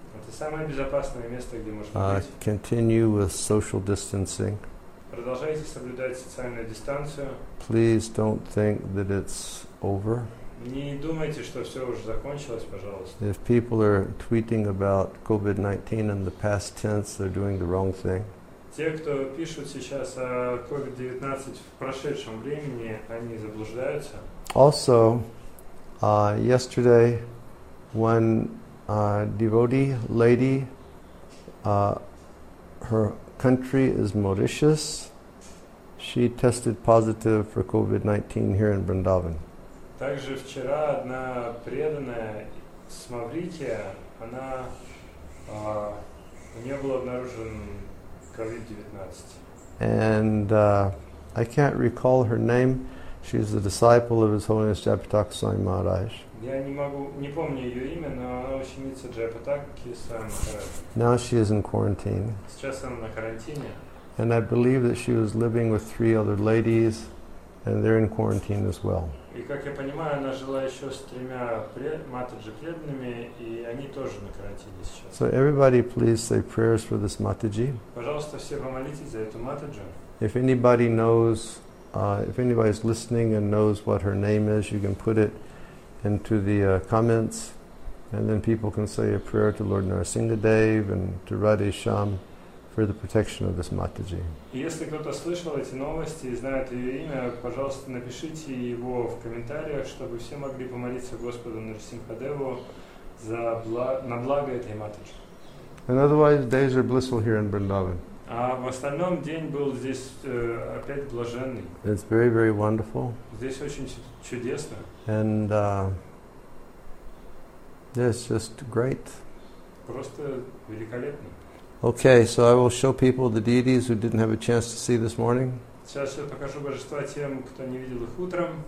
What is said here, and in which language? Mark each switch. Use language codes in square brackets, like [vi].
[ru] Это самое безопасное место, где можно быть. [en] Continue with social distancing. [ru] Продолжайте соблюдать социальную дистанцию. [en] Please don't think that it's over. [ru] Не думайте, что все уже закончилось, пожалуйста. [en] If people are tweeting about COVID-19 in the past tense, they're doing the wrong thing. [ru] Те, кто пишут сейчас о COVID-19 в прошедшем времени, они заблуждаются. [en] Also, yesterday, one devotee lady, her country is Mauritius. She tested positive for COVID-19 here in Vrindavan. [ru] Также вчера одна преданная с Маврикия, она у нее был обнаружен COVID-19. [en] And I can't recall her name. She's a disciple of His Holiness Japitaka Swami Maharaj. [ru] Я не помню ее имя, но она ученица Джайпатаки Свами Махарадж. [en] Now she is in quarantine. [ru] Сейчас она на карантине. [en] And I believe that she was living with three other ladies, and they're in quarantine as well. [ru] И как я понимаю, она жила еще с тремя матаджи преданными, и они тоже на карантине сейчас. [en] So everybody please say prayers for this матаджи. [ru] Пожалуйста, все помолитесь за эту матаджи. [en] If anybody knows, if anybody is listening and knows what her name is, you can put it into the comments, and then people can say a prayer to Lord Narasimhadev and to Radhe Shyam for the protection of this Mataji. [ru] Если кто-то слышал эти новости и знает ее имя, пожалуйста, напишите его в комментариях, чтобы все могли помолиться Господу Нарасимхадеву за на благо этой Матаджи. [en] And otherwise, days are blissful here in Vrindavan. [ru] А в остальном день был здесь опять блаженный. [en] It's very, very wonderful. [ru] Здесь очень чудесно. [en] And it's just great. [ru] Просто великолепно. [en] Okay, so I will show people the deities who didn't have a chance to see this morning. [ru] Сейчас я покажу божества тем, кто не видел их утром.